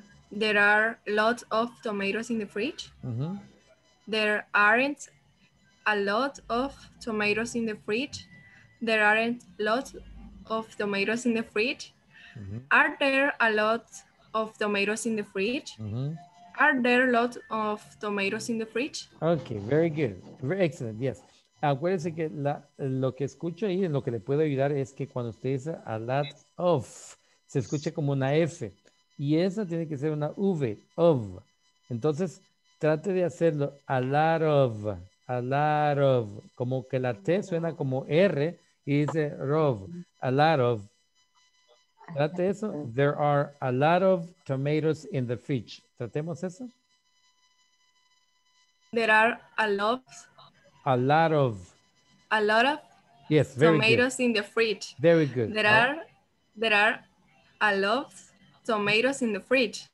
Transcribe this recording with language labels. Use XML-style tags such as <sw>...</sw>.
<en>There are lots of tomatoes in the fridge. There aren't a lot of tomatoes in the fridge. There aren't lots of tomatoes in the fridge. Are there a lot of tomatoes in the fridge? Are there lots of tomatoes in the fridge? Okay, very good. Very excellent, yes.</en> <es>Acuérdense que lo que escucho ahí, lo que le puede ayudar es que cuando usted dice a lot of, se escucha como una F. Y esa tiene que ser una V, of. Entonces, trate de hacerlo a lot of, como que la T suena como R y dice rov, a lot of. Trate eso.</es> <en>There are a lot of tomatoes in the fridge.</en> <es>¿Tratemos eso?</es> <en>There are a lot. A lot of. A lot of. Yes, very tomatoes good. In the fridge. Very good. There are a lot of tomatoes in the fridge.</en>